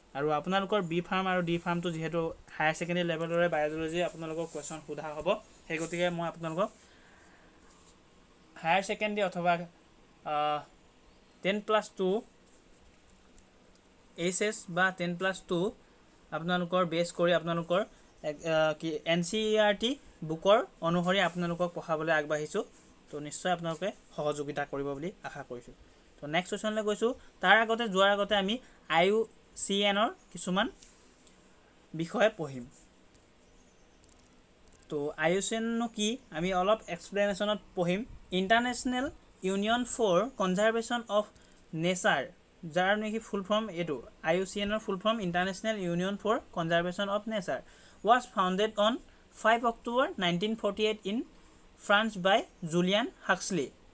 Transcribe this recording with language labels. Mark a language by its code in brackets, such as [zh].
[as] আৰু আপোনালোকৰ B farm আৰু ডি ফাৰ্মটো যিহেতু হায়াৰ ছেকেণ্ডেৰী লেভেলৰে বায়'লজি আপোনালোকৰ কুৱেশ্যন সোধা হ'ব, সেই গতিকে মই আপোনালোকক হায়াৰ ছেকেণ্ডেৰী অথবা 10+2 এইচ এছ বা 10+2 আপোনালোকৰ বেছ কৰি আপোনালোকৰ কি এন চি ই আৰ টি বুকৰ অনুসৰি আপোনালোকক পঢ়াবলৈ আগবাঢ়িছোঁ। তো নিশ্চয় আপোনালোকে সহযোগিতা কৰিব বুলি আশা কৰিছোঁ। তো নেক্সট কুৱেশ্যনলৈ গৈছোঁ। তাৰ আগতে, যোৱাৰ আগতে আমি আই ইউ চি এনৰ কিছুমান বিষয়ে পঢ়িম। তো আই ইউ চি এননো কি আমি অলপ এক্সপ্লেনেশ্যনত পঢ়িম। [en] international union for conservation of nature, [as] যাৰ নেকি ফুল ফৰ্ম [en] এইটো I U C এনৰ full form international union for conservation of nature, was founded on 5 October 1948 in France by Julian Huxley.